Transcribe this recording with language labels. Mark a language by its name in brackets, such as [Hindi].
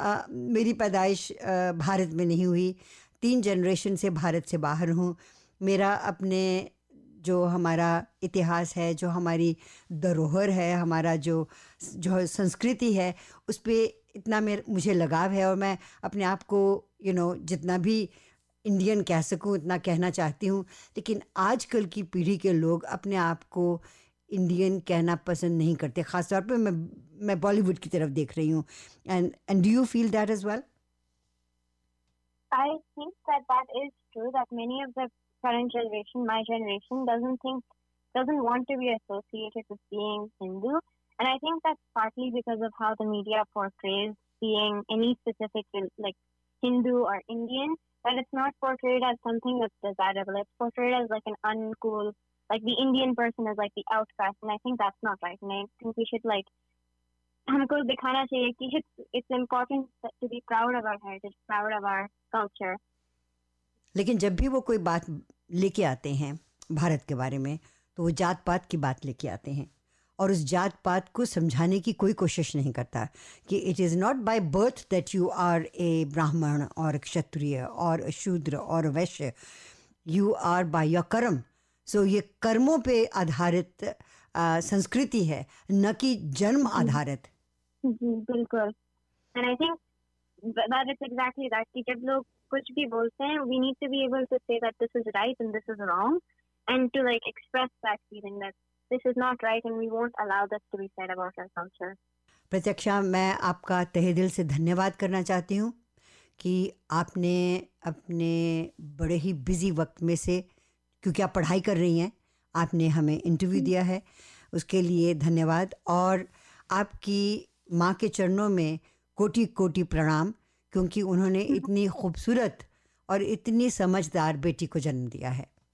[Hindi] मेरी पैदाइश भारत में नहीं हुई 3 जनरेशन से भारत से बाहर हूँ मेरा अपने जो हमारा इतिहास है जो हमारी धरोहर है हमारा जो संस्कृति है उस पर इतना मुझे लगाव है और मैं अपने आप को यू नो जितना भी इंडियन कह सकूँ उतना कहना चाहती हूँ लेकिन आजकल की पीढ़ी के लोग अपने आप को इंडियन कहना पसंद नहीं करते ख़ासतौर पे मैं बॉलीवुड की तरफ देख रही हूँ [English] And do you feel that as well I think that is true that many of the current generation, my generation, doesn't want to be associated with being Hindu. And I think that's partly because of how the media portrays being any specific, like, Hindu or Indian, that it's not portrayed as something that's desirable. It's portrayed as, like, an uncool, like, the Indian person is, like, the outcast. And I think that's not right. And I think we should, like, it's important to be proud of our heritage, proud of our culture. [Hindi] लेकिन जब भी वो कोई बात लेके आते हैं भारत के बारे में तो वो जात पात की बात लेके आते हैं और उस जात पात को समझाने की कोई कोशिश नहीं करता कि [English] it is not by birth that you are a [Hindi] ब्राह्मण और क्षत्रिय और शूद्र और वैश्य [English] you are by your [Hindi] कर्म सो ये कर्मों पे आधारित संस्कृति है, न कि जन्म आधारित. जी बिल्कुल. [English] And I think that it's exactly that. [Hindi] कि जब लोग कुछ भी बोलते हैं, [English] we need to be able to say that this is right and this is wrong, and to like express that feeling that this is not right and we won't allow this to be said about our culture. [Hindi] प्रत्यक्षा, मैं आपका तहे दिल से धन्यवाद करना चाहती हूँ कि आपने अपने बड़े ही बिजी वक्त में से, क्योंकि आप पढ़ाई कर रही हैं, आपने हमें इंटरव्यू दिया है, उसके लिए धन्यवाद. और आपकी माँ के चरणों में कोटि कोटि प्रणाम, क्योंकि उन्होंने इतनी खूबसूरत और इतनी समझदार बेटी को जन्म दिया है.